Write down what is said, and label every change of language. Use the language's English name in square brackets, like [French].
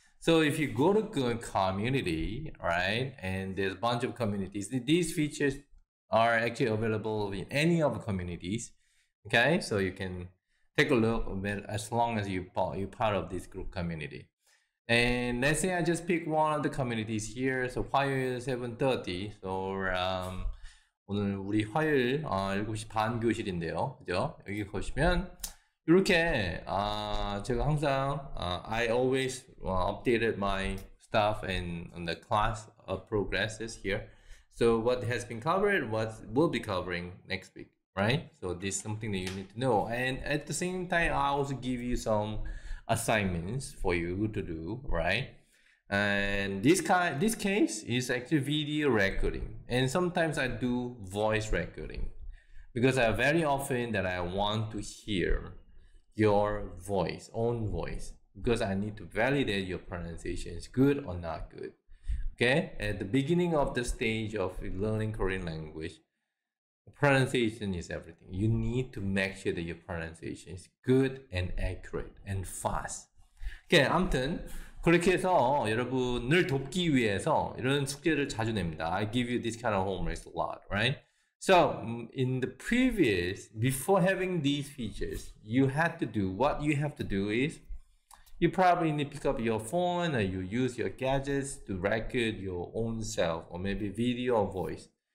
[English] So if you go to good community, right, and there's a bunch of communities, these features are actually available in any of the communities. Okay, so you can take a look as long as you're part of this group community. And let's say I just pick one of the communities here. [Korean] So 화요일 7:30. So 오늘 우리 화요일 7시 반 교실인데요. 그죠? 여기 보시면 이렇게 제가 항상 [English] I always updated my stuff and on the class progresses here. So what has been covered, what will be covering next week, right? So this is something that you need to know. And at the same time, I also give you some assignments for you to do, right? And this case is actually video recording. And sometimes I do voice recording because I very often that I want to hear your voice, own voice, because I need to validate your pronunciation is good or not good. Okay, at the beginning of the stage of learning Korean language, pronunciation is everything. You need to make sure that your pronunciation is good and accurate and fast. [Korean] Okay, 아무튼 그렇게 해서 여러분을 돕기 위해서 이런 숙제를 자주 냅니다. [English] I give you this kind of homework a lot, right? So, in the previous, before having these features, you had to do, what you have to do is, you probably need to pick up your phone or you use your gadgets to record your own self or maybe video or voice.